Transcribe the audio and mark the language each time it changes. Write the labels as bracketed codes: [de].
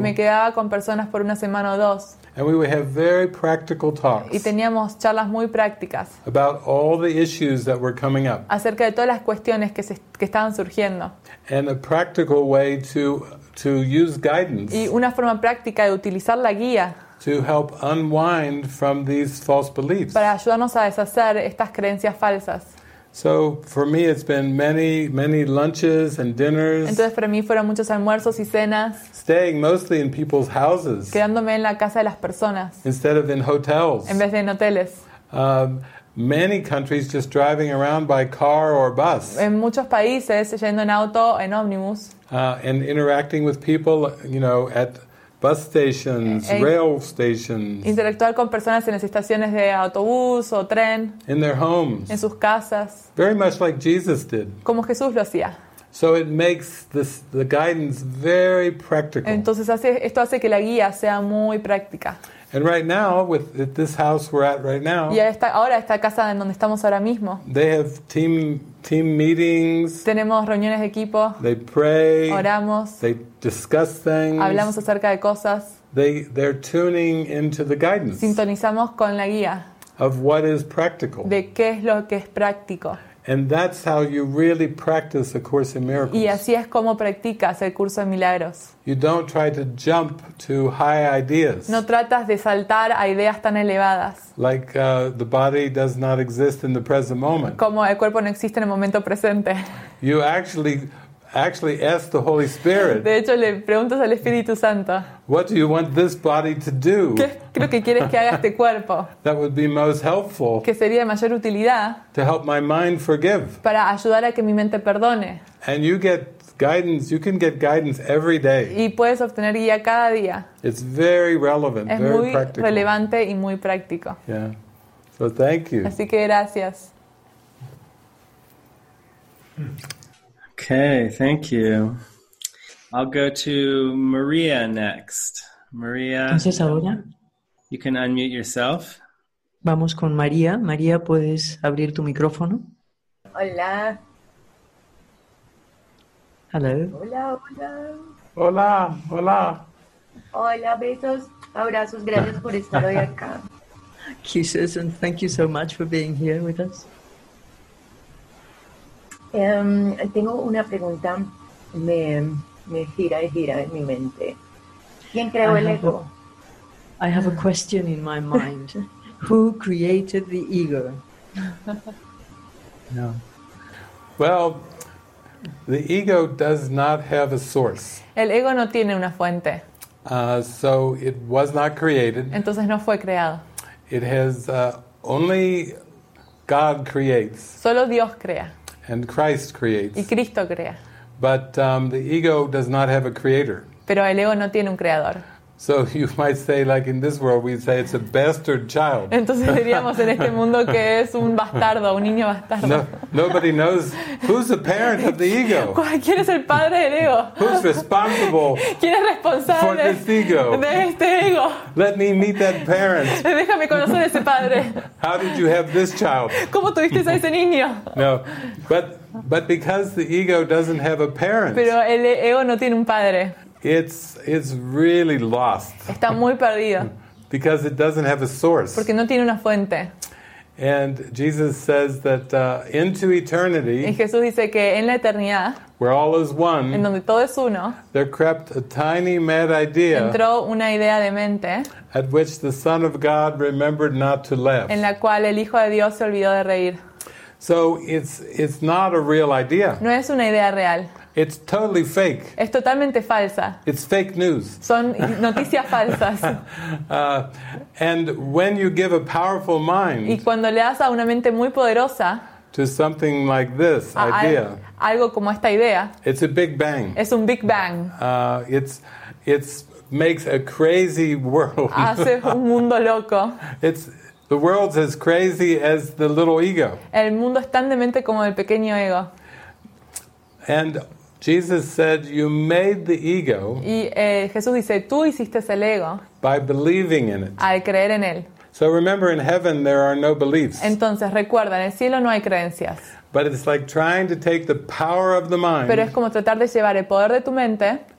[es] Me quedaba con personas por una semana o dos. [en] And we would have very practical talks. [es] Y teníamos charlas muy prácticas. [en] About all the issues that were coming up. [es] Acerca de todas las cuestiones que estaban surgiendo. [en] And a practical way to use guidance. [es] Y una forma práctica de utilizar la guía. [en] To help unwind from these false beliefs. [es] Para ayudarnos a deshacer estas creencias falsas. [en] So for me it's been many, many lunches and dinners. [es] Entonces para mí fueron muchos almuerzos y cenas. [en] Staying mostly in people's houses. [es] Quedándome en la casa de las personas. [en] Instead of in hotels. [es] En vez de en hoteles. [en] Many countries just driving around by car or bus. [es] En muchos países yendo en auto o en ómnibus. [en] And interacting with people, you know, at bus stations, rail stations. [es] Interactuar con personas en las estaciones de autobús o tren. [en] In their homes. [es] En sus casas. [en] Very much like Jesus did. [es] Como Jesús lo hacía. [en] So it makes the guidance very practical. [es] Entonces esto hace que la guía sea muy práctica. [en] And right now, with this house we're at right now. [es] Y ahora esta casa en donde estamos ahora mismo. [en] They have team team meetings. [es] Tenemos reuniones de equipo. [en] They pray. [es] Oramos. [en] They discuss things. [es] Hablamos acerca de cosas. [en] They're tuning into the guidance. [es] Sintonizamos con la guía. [en] Of what is practical. [es] De qué es lo que es práctico. [en] And that's how you really practice the Course in Miracles. [es] Y así es como practicas el curso de milagros. [en] You don't try to jump to high ideas. [es] No tratas de saltar a ideas tan elevadas. [en] Like the body does not exist in the present moment. [es] Como el cuerpo no existe en el momento presente. [en] You actually ask the Holy Spirit. [es] De hecho, le preguntas al Espíritu Santo. [en] What do you want this body to do? [es] ¿Qué creo que quieres que haga este cuerpo? [en] That would be most helpful. [es] Que sería de mayor utilidad. [en] To help my mind forgive. [es] Para ayudar a que mi mente perdone. [en] And you get guidance. You can get guidance every day. [es] Y puedes obtener guía cada día. [en] It's very relevant. [es] Es [en] very [es] muy [en] practical. [es] Relevante y muy práctico. [en] Yeah. So thank you. [es] Así que gracias. [en] Okay, thank you. I'll go to Maria next. Maria. [es] Entonces ahora. [en] You can unmute yourself. [es] Vamos con María. María, ¿puedes abrir tu micrófono? Hola. [en] Hello. [es] Hola, hola. Hola, hola. Hola, besos, abrazos, gracias por estar hoy acá. [en] Kisses and thank you so much for being here with us. [es] Tengo una pregunta, me gira y gira en mi mente. ¿Quién creó el ego? [en] I have a question in my mind. Who created the ego? No. Well, the ego does not have a source. [es] El ego no tiene una fuente. [en] So it was not created. [es] Entonces no fue creado. [en] It has only God creates. [es] Solo Dios crea. [en] And Christ creates. [es] Y Cristo crea. [en] But the ego does not have a creator. [es] Pero el ego no tiene un creador. [en] So you might say, like in this world, we say it's a bastard child. [es] Entonces diríamos en este mundo que es un bastardo, un niño bastardo. [en] No, nobody knows who's the parent of the ego. [es] ¿Quién es el padre del ego? [en] Who's responsible? [es] ¿Quién es responsable [en] for this ego? [es] De este ego. [en] Let me meet that parent. [es] Déjame conocer a ese padre. [en] How did you have this child? [es] ¿Cómo tuviste a ese niño? [en] No, but because the ego doesn't have a parent. [es] Pero el ego no tiene un padre. [en] It's really lost. [es] Está muy perdido. [en] Because it doesn't have a source. [es] Porque no tiene una fuente. [en] And Jesus says that into eternity. [es] Y Jesús dice que en la eternidad. [en] Where all is one. [es] En donde todo es uno. [en] There crept a tiny mad idea. [es] Entró una idea de mente. [en] At which the Son of God remembered not to laugh. [es] En la cual el Hijo de Dios se olvidó de reír. [en] So it's not a real idea. [es] No es una idea real. [en] It's totally fake. [es] Es totalmente falsa. [en] It's fake news. [es] Son noticias falsas. [en] And when you give a powerful mind. [es] Y cuando le das a una mente muy poderosa. [en] To something like this idea. [es] Algo como esta idea. [en] It's a big bang. [es] Es un big bang. [en] It's makes a crazy world. [es] Hace un mundo loco. [en] It's the world's as crazy as the little ego. [es] El mundo es tan demente como el pequeño ego. [en] And Jesus said, "You made the ego." [es] Y Jesús dice, tú hiciste el ego. [en] By believing in it. [es] Al creer en él. [en] So remember, in heaven there are no beliefs. [es] Entonces recuerda, en el cielo no hay creencias. [en] But it's like trying to take the power of the mind. [es] Pero es como tratar de llevar el poder de tu mente.